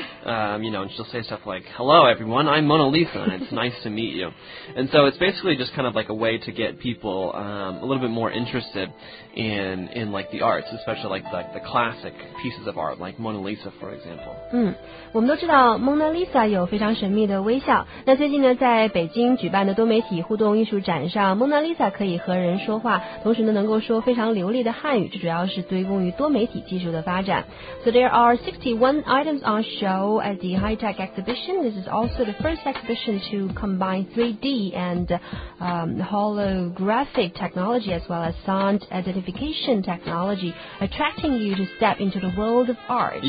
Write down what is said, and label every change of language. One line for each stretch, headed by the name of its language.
English: And she'll say stuff like, hello, everyone, I'm Mona Lisa, and it's nice to meet you. And so it's basically just kind of like a way to get people a little bit more interested in like the arts, especially like the classic pieces of art, like Mona Lisa, for example.
Chinese: 我们都知道 Mona Lisa 有非常神秘的微笑。那最近呢，在北京举办的多媒体互动艺术展上， Mona Lisa 可以和人说话，同时呢能够说非常流利的汉语，这主要是归功于多媒体技术的发展。
English: So there are 61 items on show at the high-tech exhibition. This is also the first exhibition to combine 3D and holographic technology as well as sound identification technology, attracting you to step into the world of art.